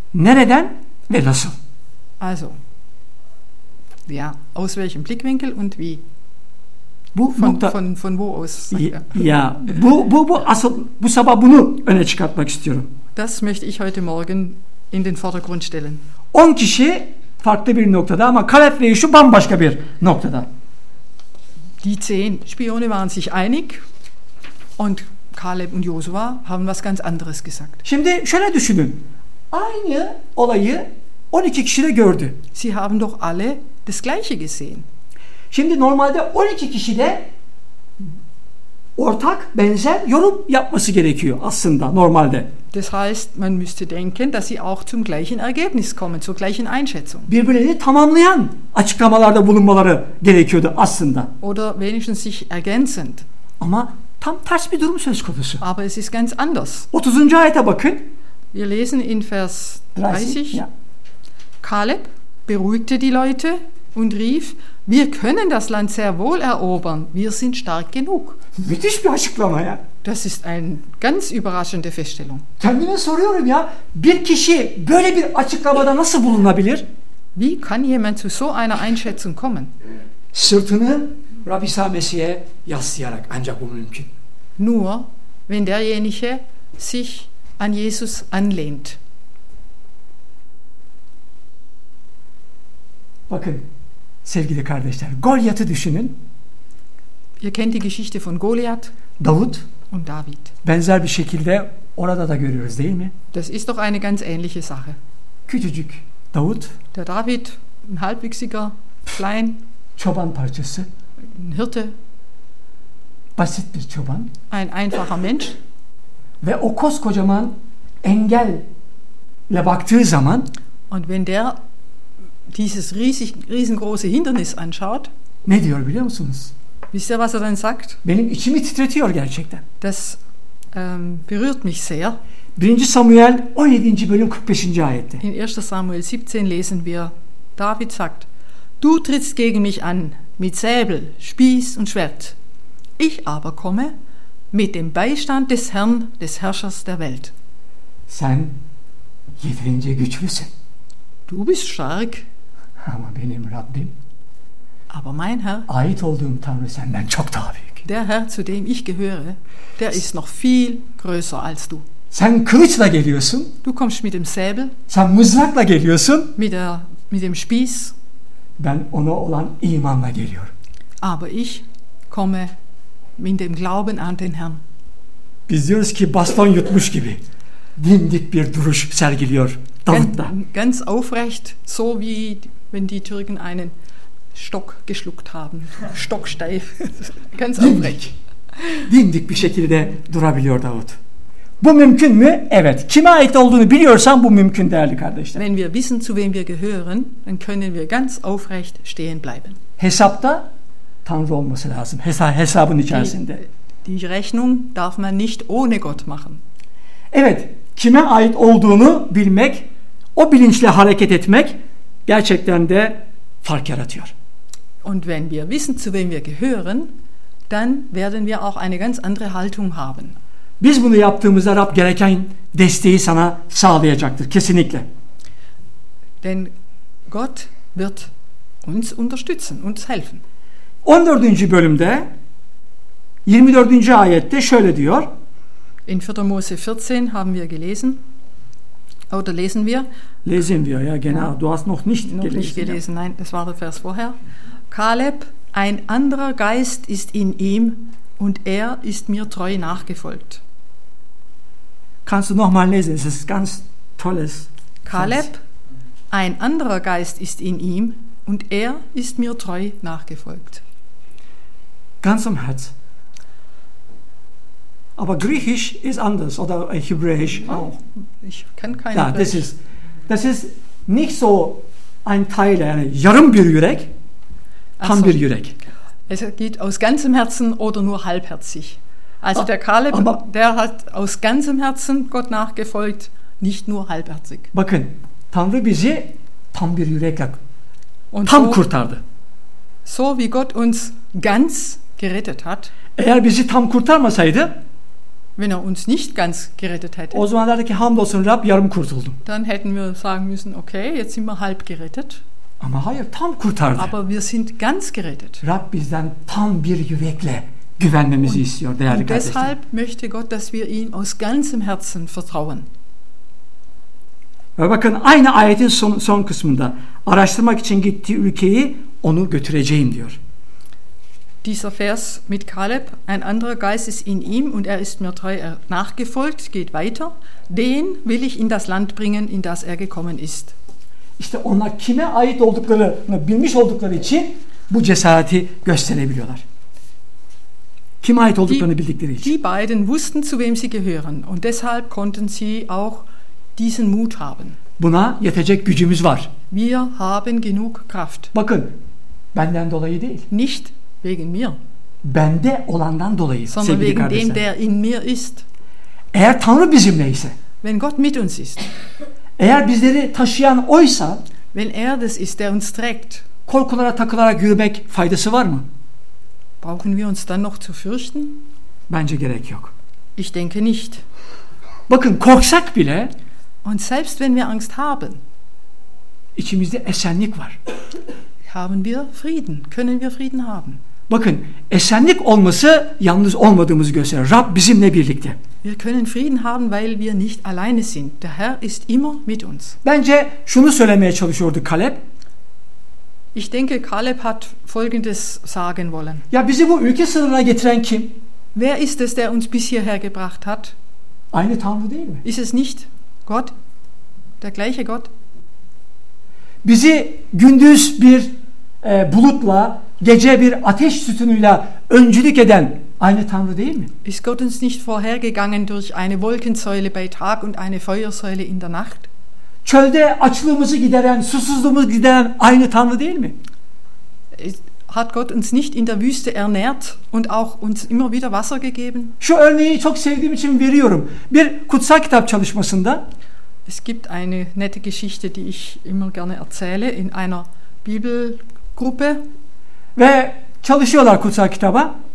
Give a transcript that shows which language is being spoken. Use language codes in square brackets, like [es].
[tr] Nereden ve nasıl? [de] Also, ja, aus welchem Blickwinkel und wie? [tr] Bu [de] von wo aus? [tr] Ja, bu asıl, bu sabah bunu öne çıkartmak istiyorum. [de] Das möchte ich heute Morgen in den Vordergrund stellen. [tr] 10 kişi farklı bir noktada ama Kalef ve Yeşu bambaşka bir noktada. [de] Die 10 Spione waren sich einig und Kaleb und Josua haben was ganz anderes gesagt. [tr] Şimdi şöyle düşünün. Aynı olayı 12 kişi de gördü. [de] Sie haben doch alle das gleiche gesehen. [tr] Şimdi normalde 12 kişi de ortak, benzer yorum yapması gerekiyor aslında normalde. [de] Das heißt, man müsste denken, dass sie auch zum gleichen Ergebnis kommen, zur gleichen Einschätzung. [tr] Birbirini tamamlayan açıklamalarda bulunmaları gerekiyordu aslında. [de] Oder wenigstens sich ergänzend. [tr] Ama tam ters bir durum söz konusu. [de] Aber es ist ganz anders. [tr] 30. ayete bakın. [de] Wir lesen in Vers 30. Ja. Kaleb beruhigte die Leute und rief: Wir können das Land sehr wohl erobern. Wir sind stark genug. [tr] Müthiş bir açıklama ja. [de] Das ist eine ganz überraschende Feststellung. [tr] Kendime soruyorum ya, bir kişi böyle bir açıklamada nasıl bulunabilir? [de] Wie kann jemand zu so einer Einschätzung kommen? [tr] Sırtını Rab İsa Mesih'e yaslayarak ancak bu mümkün. [de] Nur wenn derjenige sich an Jesus anlehnt. [tr] Bakın sevgili kardeşler, Goliath'ı düşünün. [de] Ihr kennt die Geschichte von Goliath. [tr] Davut [de] und David. [tr] Benzer bir şekilde orada da görüyoruz değil mi? [de] Das ist doch eine ganz ähnliche Sache. [tr] Küçücük Davut. [de] Der David, ein halbwüchsiger, klein. [tr] Çoban parçası. [de] Ein Hirte. [tr] Basit bir çoban. [de] Ein einfacher Mensch. [tr] Ve o koskocaman engelle baktığı zaman. [de] Und wenn der dieses riesengroße Hindernis anschaut. [tr] Ne diyor biliyor musunuz? [de] Wisst ihr, was er dann sagt? [tr] Benim içimi titretiyor gerçekten. [de] Das berührt mich sehr. [tr] 1. Samuel 17. bölüm 45. ayette. [de] In 1. Samuel 17 lesen wir, David sagt: Du trittst gegen mich an mit Säbel, Spieß und Schwert. Ich aber komme mit dem Beistand des Herrn, des Herrschers der Welt. [tr] Sen yeterince güçlüsün. [de] Du bist stark. [tr] Ama benim Rabbim. [de] Aber mein Herr, [tr] ait olduğum Tanrı senden çok daha büyük. [de] Der Herr, zu dem ich gehöre, der ist noch viel größer als du. [tr] Sen kılıçla geliyorsun. [de] Du kommst mit dem Säbel. [tr] Sen mızrakla geliyorsun. [de] Mit dem Spieß. [tr] Ben ona olan imanla geliyorum. [de] Aber ich komme mit dem Glauben an den Herrn. [tr] Biz diyoruz ki baston yutmuş gibi dimdik bir duruş sergiliyor Davut'ta. [de] Ganz aufrecht, so wie wenn die Türken einen Stock geschluckt haben. Stocksteif. Ganz aufrecht. [tr] Dimdik bir şekilde durabiliyor Davut. Bu mümkün mü? Evet. Kime ait olduğunu biliyorsan bu mümkün değerli kardeşler. [de] Wenn wir wissen, zu wem wir gehören, dann können wir ganz aufrecht stehen bleiben. [tr] Hesapta Tanrı olması lazım. Hesabın içerisinde. [de] Die Rechnung darf man nicht ohne Gott machen. [tr] Evet. Kime ait olduğunu bilmek, o bilinçle hareket etmek gerçekten de fark yaratıyor. [de] Und wenn wir wissen, zu wem wir gehören, dann werden wir auch eine ganz andere Haltung haben. [tr] Biz bunu yaptığımızda Rab gereken desteği sana sağlayacaktır, kesinlikle. [de] Denn Gott wird uns unterstützen, uns helfen. [tr] 14. bölümde, 24. ayette şöyle diyor. [de] In 4. Mose 14 haben wir gelesen. Oder lesen wir? Lesen wir, ja genau. Du hast noch nicht noch gelesen. Nicht gelesen, ja. Nein, das war der Vers vorher. Kaleb, ein anderer Geist ist in ihm und er ist mir treu nachgefolgt. Kannst du nochmal lesen? Es ist ganz tolles. Kaleb, ein anderer Geist ist in ihm und er ist mir treu nachgefolgt. Ganz am Herz. Aber Griechisch ist anders oder Hebräisch auch. Ich kann kein Griechisch. Das ist nicht so ein Teil, [tr] yani yarım bir yürek. [de] haben wir Jurek. Es geht aus ganzem Herzen oder nur halbherzig. Also der Kaleb, der hat aus ganzem Herzen Gott nachgefolgt, nicht nur halbherzig. [tr] Bakın, Tanrı bizi tam bir yürekle tam so, kurtardı. [de] So wie Gott uns ganz gerettet hat. [tr] Eğer bizi tam kurtarmasaydı, [de] wenn er uns nicht ganz gerettet hätte, [tr] o zaman derdi ki hamdolsun Rab yarım kurtuldum. [de] Dann hätten wir sagen müssen, okay, jetzt sind wir halb gerettet. [tr] Ama hayır, tam kurtardı. [de] Aber wir sind ganz gerettet. [tr] Rab bizden tam bir yürekle güvenmemizi und, istiyor, değerli kardeşlerim. [de] Deshalb möchte Gott, dass wir ihm aus ganzem Herzen vertrauen. [tr] Ve bakın aynı ayetin son kısmında araştırmak için gittiği ülkeyi onu götüreceğim diyor. [de] Dieser Vers mit Kaleb, ein anderer Geist ist in ihm und er ist mir treu nachgefolgt, geht weiter. Den will ich in das Land bringen, in das er gekommen ist. [tr] İşte onlar kime ait olduklarını bilmiş oldukları için bu cesareti gösterebiliyorlar. Kime ait olduklarını bildikleri için. [de] Die beiden wussten, zu wem sie gehören und deshalb konnten sie auch diesen Mut haben. [tr] Buna yetecek gücümüz var. [de] Wir haben genug Kraft. [tr] Bakın, benden dolayı değil. [de] Nicht wegen mir. [tr] Bende olandan dolayı, [de] sondern sevgili wegen kardeşler. Dem, der in mir ist. [tr] Eğer Tanrı bizimle ise. [de] Wenn Gott mit uns ist. [tr] Eğer bizleri taşıyan oysa. [de] Wenn er das ist, der uns trägt. [tr] Korkulara takılarak yürümek faydası var mı? [de] Brauchen wir uns dann noch zu fürchten? [tr] Bence gerek yok. [de] Ich denke nicht. [tr] Bakın korksak bile. [de] Und selbst wenn wir Angst haben. [tr] İçimizde esenlik var. [de] Haben wir Frieden? Können wir Frieden haben? [tr] Bakın esenlik olması yalnız olmadığımızı gösterir. Rab bizimle birlikte. [de] Wir können Frieden haben, weil wir nicht alleine sind. Der Herr ist immer mit uns. [tr] Bence şunu söylemeye çalışıyordu Kaleb. [de] Ich denke, Kaleb hat Folgendes sagen wollen. [tr] Ja, bizi bu ülke sınırına getiren kim? [de] Wer ist es, der uns bis hierher gebracht hat? [tr] Aynı Tanrı değil mi? [de] Ist es nicht Gott? Der gleiche Gott? [tr] Bizi gündüz bir bulutla, gece bir ateş sütunuyla öncülük eden aynı Tanrı değil mi? [de] Ist Gott uns nicht vorhergegangen durch eine Wolkensäule bei Tag und eine Feuersäule in der Nacht? [tr] Çölde açlığımızı gideren, susuzluğumuzu gideren aynı Tanrı değil mi? [de] Hat Gott uns nicht in der Wüste ernährt und auch uns immer wieder Wasser gegeben? [tr] Şu örneği çok sevdiğim için veriyorum. Bir kutsal kitap çalışmasında. [de] Es gibt eine nette Geschichte, die ich immer gerne erzähle in einer Bibelgruppe. [tr] Ve çalışıyorlar kutsal kitaba.